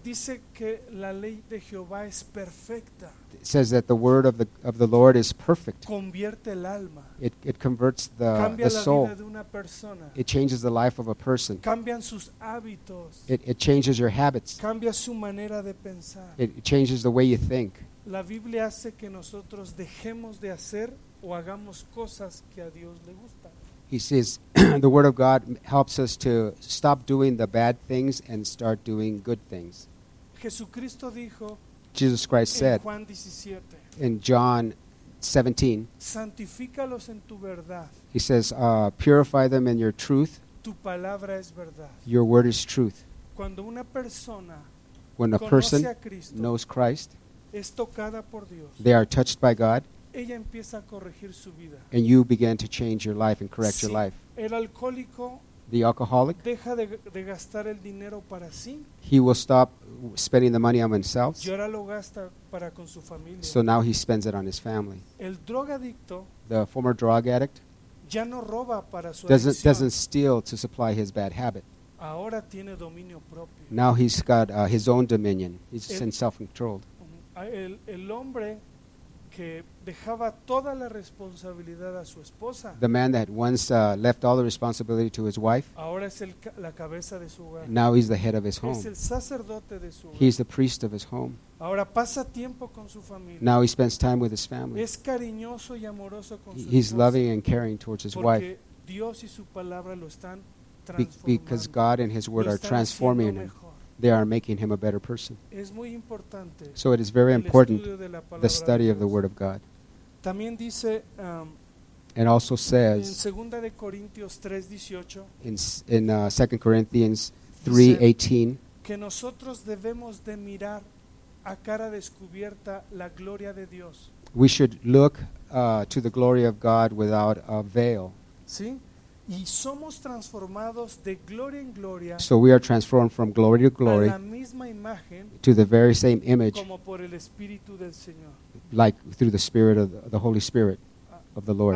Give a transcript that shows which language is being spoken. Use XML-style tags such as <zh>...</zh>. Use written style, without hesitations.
<es>dice que la ley de Jehová es perfecta.</es> <en>It says that the word of the Lord is perfect.</en> <es>Convierte el alma.</es> <en>It converts the,</en> <es>cambia</es> <en>the</en> <es>la</es> <en>soul.</en> <es>Vida de una persona.</es> <en>It changes the life of a person.</en> <es>Cambian sus hábitos.</es> <en>It changes your habits.</en> <es>Cambia su manera de pensar.</es> <en>It changes the way you think.</en> <es>La Biblia hace que nosotros dejemos de hacer o hagamos cosas que a Dios le gustan.</es> <en>He says, the word of God helps us to stop doing the bad things and start doing good things.</en> <es>Jesucristo dijo,</es> <en>Jesus Christ said</en> <es>Juan 17,</es> <en>in John 17,</en> <es>santifícalos en tu verdad.</es> <en>He says, purify them in your truth.</en> <es>Tu palabra es verdad.</es> <en>Your word is truth.</en> <es>Cuando una persona</es> <en>when a person</en> <es>a Cristo,</es> <en>knows Christ,</en> <es>es tocada por Dios,</es> <en>they are touched by God.</en> <es>Ella empieza a corregir su vida.</es> <en>And you begin to change your life and correct</en> <es>si</es> <en>your life.</en> <es>El alcohólico</es> <en>the alcoholic</en> <es>deja de gastar el dinero para sí.</es> <en>He will stop spending the money on himself.</en> <es>Y ahora lo gasta para con su familia.</es> <en>So now he spends it on his family.</en> <es>El drogadicto</es> <en>the former drug addict</en> <es>ya no roba para su</es> <en>doesn't steal to supply his bad habit.</en> <es>Ahora tiene dominio propio.</es> <en>Now he's got his own dominion. He's in self-controlled.</en> <es>El hombre que dejaba toda la responsabilidad a su esposa.</es> <en>The man that once left all the responsibility to his wife.</en> <es>Ahora es la cabeza de su hogar.</es> <en>Now he's the head of his home.</en> <es>Es el sacerdote de su hogar.</es> <en>He's the priest of his home.</en> <es>Ahora pasa tiempo con su familia.</es> <en>Now he spends time with his family.</en> <es>Es cariñoso y amoroso con su</es> <en>he's loving and caring towards his</en> <es>porque</es> <en>wife.</en> <es>Dios y su palabra lo están transformando.</es> <en>Because God and his word are transforming him. they are making him a better person.</en> <es>Es muy importante.</es> <en>So it is very important, the study of the Word of God.</en> <es>También dice,</es> <en>and also says</en> <es>en segunda de Corintios 3:18,</es> <en>in 2 Corinthians 3:18,</en> <es>que nosotros debemos de mirar a cara descubierta la gloria de Dios.</es> <en>We should look to the glory of God without a veil.</en> <es>¿Sí? Y somos transformados de gloria en gloria.</es> <en>So we are transformed from glory to glory,</en> <es>a la misma imagen,</es> <en>to the very same image,</en> <es>como por el Espíritu del Señor,</es> <en>like through the Spirit of the Holy Spirit of the Lord.</en>